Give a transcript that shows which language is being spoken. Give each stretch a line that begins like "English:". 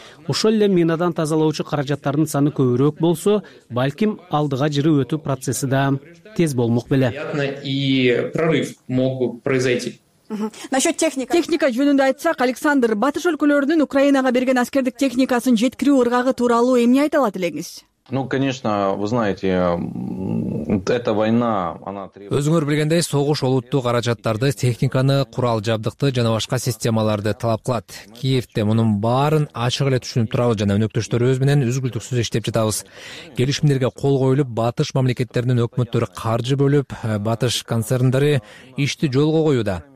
Kyrgyz: Ошол эле минадан тазалоочу каражаттардын саны көбүрөөк болсо, балким алдыга жырып өтүү процесси да тез болмок беле.
Russian: И прорыв мог произойти. Насчет техника.
Kyrgyz: Техника жөнүндө айтсак, Александр, батыш өлкөлөрүнүн Украинага берген аскердик техникасын жеткирүү ыргагы тууралуу эмне айта алат элеңиз?
Russian: Ну, конечно, вы знаете, эта война, она требует.
Kyrgyz: Өзүңөр билгендей, согуш олуттуу каражаттарды, техниканы, курал жабдыкты жана башка системаларды талап кылат. Киевде мунун баарын ачык эле түшүнүп турабыз жана өнөктөштөрүбүз менен үзгүлтүксүз иштеп жатабыз. Келишимдерге кол коюлуп, батыш мамлекеттеринин өкмөттөрү каржы бөлүп, батыш концерндери ишти жолго коюуда.